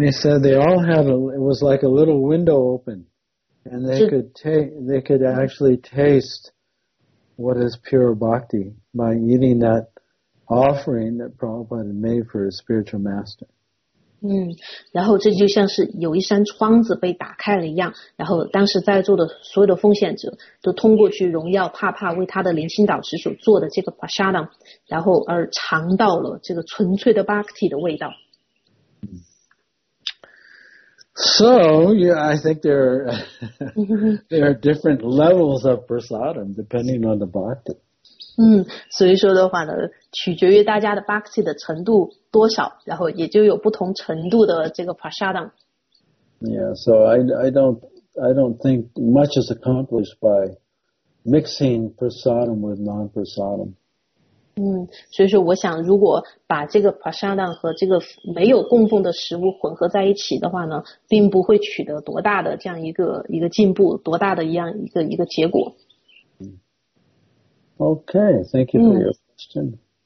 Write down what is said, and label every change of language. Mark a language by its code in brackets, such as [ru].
[en] they said they all had it was like a little window open, and they could actually taste what is pure bhakti by eating that offering that Prabhupada made for his spiritual master. [zh] 然后这就像是有一扇窗子被打开了一样，然后当时在座的所有的奉献者都通过去荣耀帕帕为他的灵性导师所做的这个 prasadam， 然后而尝到了这个纯粹的bhakti的味道。So [en] yeah, I think there are different levels of prasadam depending on the bhakti. [zh] 所以说的话呢，取决于大家的 bhakti 的程度多少，然后也就有不同程度的这个 prasadam。 [en] Yeah, so I don't think much is accomplished by mixing prasadam with non-prasadam. [zh] 所以说我想如果把这个 prasadam 和这个没有供奉的食物混合在一起的话呢，并不会取得多大的这样一个进步，多大的一样一个结果。 [en] Okay, thank you for your question.